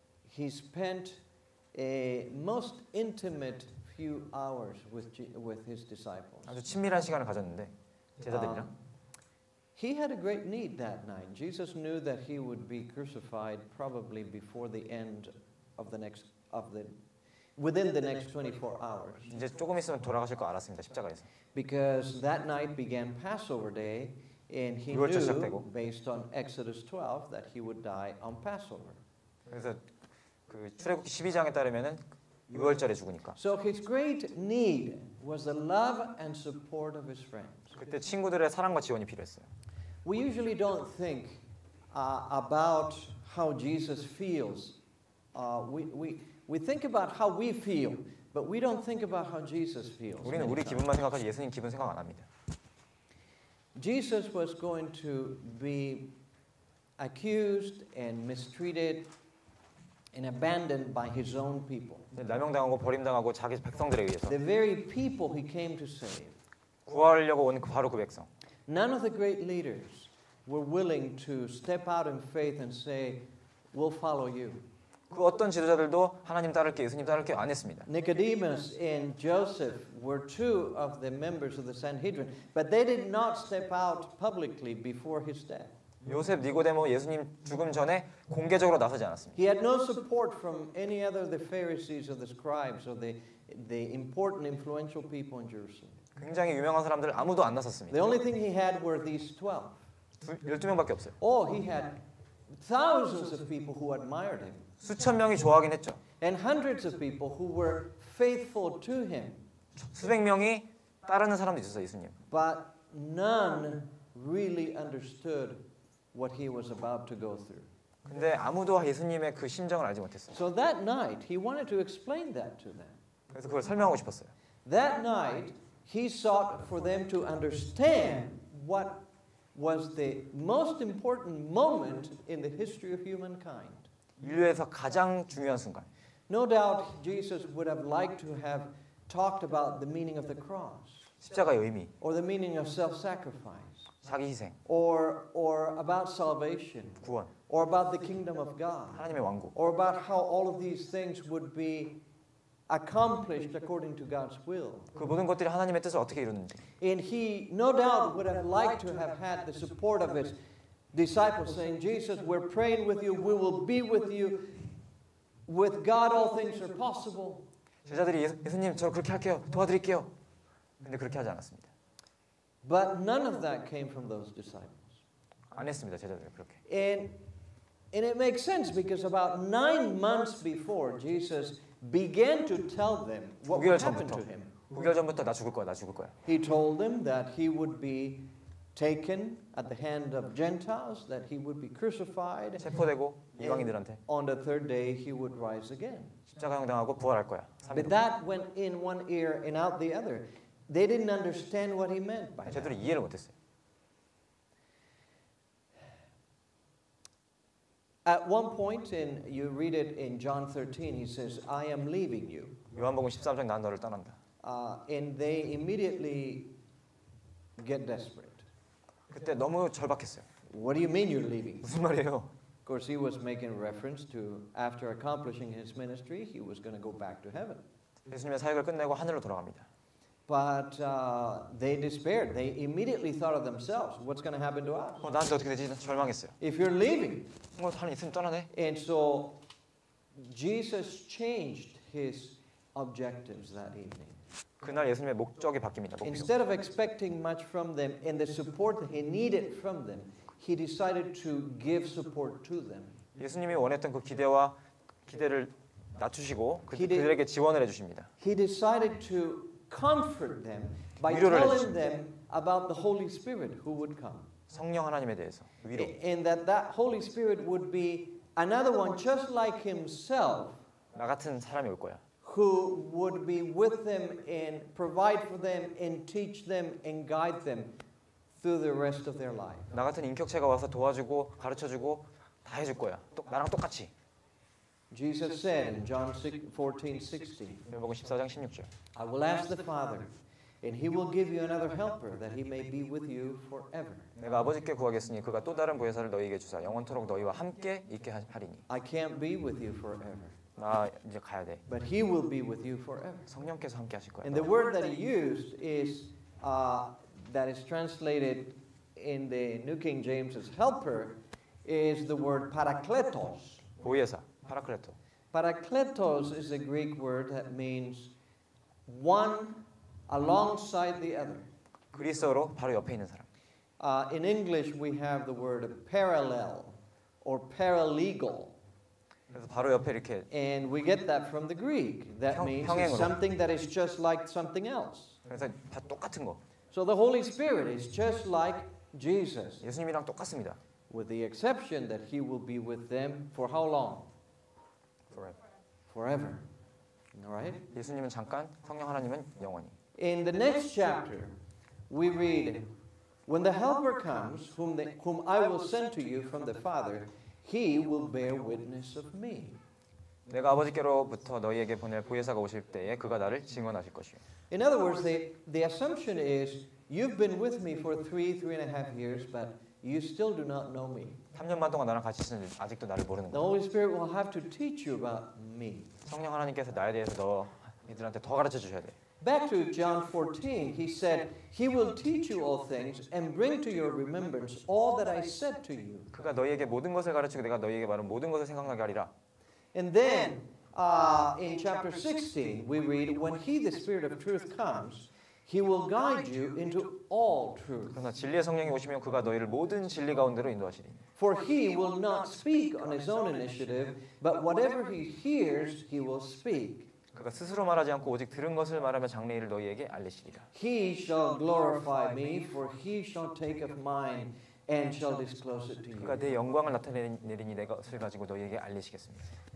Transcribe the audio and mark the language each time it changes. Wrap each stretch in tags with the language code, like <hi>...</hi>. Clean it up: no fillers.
<en>He spent a most intimate few hours with his disciples.</en> <ko>아주 친밀한 시간을 가졌는데 제자들이랑.</ko> <en>He had a great need that night. Jesus knew that he would be crucified probably before the end of the next of the within the next 24 hours.</en> <ko>이제 조금 있으면 돌아가실 거 알았습니다. 십자가에서.</ko> <en>Because that night began Passover day and he knew</en> <ko>시작되고.</ko> <en>Based on Exodus 12 that he would die on Passover.</en> <ko>그래서 그 출애굽기 12장에 따르면은 유월절에 죽으니까.</ko> <en>So his great need was the love and support of his friends.</en> <ko>그때 친구들의 사랑과 지원이 필요했어요.</ko> <en>We usually don't think about how Jesus feels. We think about how we feel, but we don't think about how Jesus feels.</en> <ko>우리는 우리 기분만 생각하지 예수님 기분 생각 안 합니다.</ko> <en>Jesus was going to be accused and mistreated. And abandoned by his own people.</en> <ko>남용당하고 버림당하고 자기 백성들에 의해서.</ko> <en>The very people he came to save.</en> <ko>구하려고 온 바로 그 백성.</ko> <en>None of the great leaders were willing to step out in faith and say, "We'll follow you."</en> <ko>그 어떤 지도자들도 하나님 따를게, 예수님 따를게 안 했습니다.</ko> <en>Nicodemus and Joseph were two of the members of the Sanhedrin, but they did not step out publicly before his death.</en> <ko>요셉, 니고데모, 예수님 죽음 전에 공개적으로 나서지 않았습니다.</ko> <en>He had no support from any other the Pharisees or the scribes or the important influential people in Jerusalem.</en> <ko>굉장히 유명한 사람들 아무도 안 나섰습니다.</ko> <en>The only thing he had were these 12.</en> <ko>12명밖에 없어요.</ko> <en>Oh, he had thousands of people who admired him.</en> <ko>수천 명이 좋아하긴 했죠.</ko> <en>And hundreds of people who were faithful to him.</en> <ko>수백 명이 따르는 사람도 있었어요, 예수님.</ko> <en>But none really understood what he was about to go through.</en> <ko>근데 아무도 예수님의 그 심정을 알지 못했어요.</ko> <en>So that night he wanted to explain that to them.</en> <ko>그래서 그걸 설명하고 싶었어요.</ko> <en>That night he sought for them to understand what was the most important moment in the history of humankind.</en> <ko>인류에서 가장 중요한 순간.</ko> <en>No doubt Jesus would have liked to have talked about the meaning of the cross.</en> <ko>십자가의 의미.</ko> <en>Or the meaning of self-sacrifice.</en> <ko>자기 희생</ko> <en>or about salvation</en> <ko>구원</ko> <en>or about the kingdom of God</en> <ko>하나님의 왕국</ko> <en>or about how all of these things would be accomplished according to God's will</en> <ko>그 모든 것들이 하나님의 뜻을 어떻게 이루는지</ko> <en>and he no doubt would have liked to have had the support of his disciples saying Jesus we're praying with you we will be with you with God all things are possible</en> <ko>제자들이 예수님 저 그렇게 할게요 도와드릴게요 근데 그렇게 하지 않았습니다.</ko> <en>But none of that came from those disciples.</en> <ko>안 했습니다, 제자들 그렇게.</ko> <en>And it makes sense because about 9 months before Jesus began to tell them what happened to him.</en> <ko>9개월 전부터 나 죽을 거야, 나 죽을 거야.</ko> <en>He told them that he would be taken at the hand of Gentiles, that he would be crucified.</en> <ko>체포되고 이방인들한테.</ko> <en>On the third day he would rise again.</en> <ko>십자가형 당하고 부활할 거야.</ko> <en>But that went in one ear and out the other. They didn't understand what he meant by that.</en> <ko>제대로 이해를 못했어요.</ko> <en>At one point, in you read it in John 13, he says, "I am leaving you."</en> <ko>요한복음 13장 난 너를 떠난다.</ko> <en>And they immediately get desperate.</en> <ko>그때 너무 절박했어요.</ko> <en>What do you mean you're leaving?</en> <ko>무슨 말이에요?</ko> <en>Of course, he was making reference to after accomplishing his ministry, he was going to go back to heaven.</en> <ko>예수님의 사역을 끝내고 하늘로 돌아갑니다.</ko> <en>But they despaired. They immediately thought of themselves. What's going to happen to us?</en> <ko>나한테 어떻게 되지? 절망했어요.</ko> <en>If you're leaving.</en> <ko>하나님 있으면 떠나네.</ko> <en>And so Jesus changed his objectives that evening.</en> <ko>그날 예수님의 목적이 바뀝니다. 목표.</ko> <en>Instead of expecting much from them and the support that he needed from them, he decided to give support to them.</en> <ko>예수님이 원했던 그 기대와 기대를 낮추시고 그들에게 지원을 해주십니다.</ko> <en>He decided to comfort them by telling them about the Holy Spirit who would come.</en> <ko>성령 하나님에 대해서 위로.</ko> <en>And that that Holy Spirit would be another one just like himself.</en> <ko>나 같은 사람이 올 거야.</ko> <en>Who would be with them and provide for them and teach them and guide them through the rest of their life.</en> <ko>나 같은 인격체가 와서 도와주고 가르쳐주고 다 해줄 거야. 나랑 똑같이.</ko> <en>Jesus said in John 14:16, I will ask the Father, and he will give you another helper that he may be with you forever.</en> <ko>내가 아버지께 구하겠으니 그가 또 다른 보혜사를 너희에게 주사 영원토록 너희와 함께 있게 하리니.</ko> <en>I can't be with you forever.</en> <ko>나 이제 가야 돼.</ko> <en>But he will be with you forever.</en> <ko>성령께서 함께 하실 거야.</ko> <en>And the word that he used is that is translated in the New King James's helper is the word parakletos.</en> <ko>보혜사. Paracleto.</ko> <en>Parakletos is a Greek word that means one alongside the other.</en> <ko>그리스어로 바로 옆에 있는 사람.</ko> <en>In English, we have the word parallel or paralegal.</en> <ko>그래서 바로 옆에 이렇게.</ko> <en>And we get that from the Greek. That</en> <ko>평,</ko> <en>means</en> <ko>평행으로.</ko> <en>Something that is just like something else.</en> <ko>그래서 다 똑같은 거.</ko> <en>So the Holy Spirit is just like Jesus.</en> <ko>예수님이랑 똑같습니다.</ko> <en>With the exception that he will be with them for how long? Forever. All right?</en> <ko>예수님은 잠깐, 성령 하나님은 영원히.</ko> <en>In the next chapter, we read, when the Helper comes, whom I will send to you from the Father, he will bear witness of me.</en> <ko>내가 아버지께로부터 너희에게 보낼 보혜사가 오실 때에 그가 나를 증언하실 것이요.</ko> <en>In other words, the assumption is, you've been with me for 3.5 years, but you still do not know me.</en> <ko>3년만 동안 나랑 같이 있었는데 아직도 나를 모르는 거야.</ko> <en>The Holy Spirit will have to teach you about me.</en> <ko>성령 하나님께서 나에 대해서 너희들한테 더 가르쳐 주셔야 돼.</ko> <en>Back to John 14, he said, he will teach you all things and bring to your remembrance all that I said to you.</en> <ko>그가 너희에게 모든 것을 가르치고 내가 너희에게 말한 모든 것을 생각나게 하리라.</ko> <en>And then in chapter 16, we read, when he, the Spirit of truth, comes, he will guide you into all truth.</en> <ko>그러나 진리의 성령이 오시면 그가 너희를 모든 진리 가운데로 인도하시리니.</ko> <en>For he will not speak on his own initiative, but whatever he hears, he will speak.</en> <ko>그가 스스로 말하지 않고 오직 들은 것을 말하며 장래일을 너희에게 알리시리라.</ko> <en>He shall glorify me, for he shall take of mine and shall disclose it to you.</en> <ko>그가 내 영광을 나타내리니 내 것을 가지고 너희에게 알리시겠습니다.</ko>